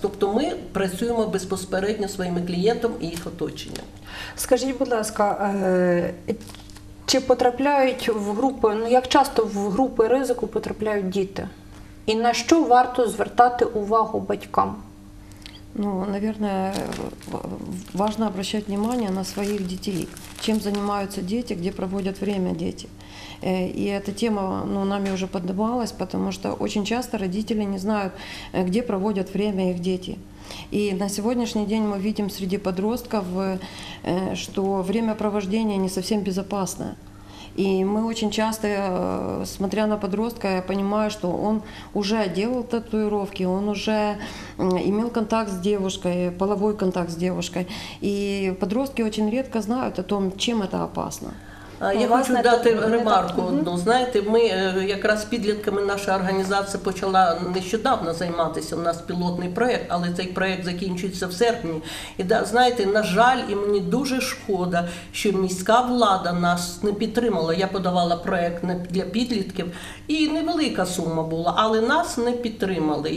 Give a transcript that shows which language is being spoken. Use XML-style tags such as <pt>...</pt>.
<uk>Тобто ми працюємо безпосередньо своїми клієнтами і їх оточенням. Скажіть, будь ласка, чи потрапляють в групи, ну як часто в групи ризику потрапляють діти? І на що варто звертати увагу батькам?</uk> <ru>Ну, наверное, важно обращать внимание на своих детей, чем занимаются дети, где проводят время дети. И эта тема, ну, нами уже поднималась, потому что очень часто родители не знают, где проводят время их дети. И на сегодняшний день мы видим среди подростков, что времяпровождение не совсем безопасное. И мы очень часто, смотря на подростка, я понимаю, что он уже делал татуировки, он уже имел контакт с девушкой, половой контакт с девушкой. И подростки очень редко знают о том, чем это опасно.</ru> <uk>Я хочу дати ремарку одну. Знаєте, ми якраз підлітками наша організація почала нещодавно займатися, у нас пілотний проєкт, але цей проєкт закінчується в серпні. І, знаєте, на жаль, і мені дуже шкода, що міська влада нас не підтримала. Я подавала проєкт для підлітків, і невелика сума була, але нас не підтримали.</uk>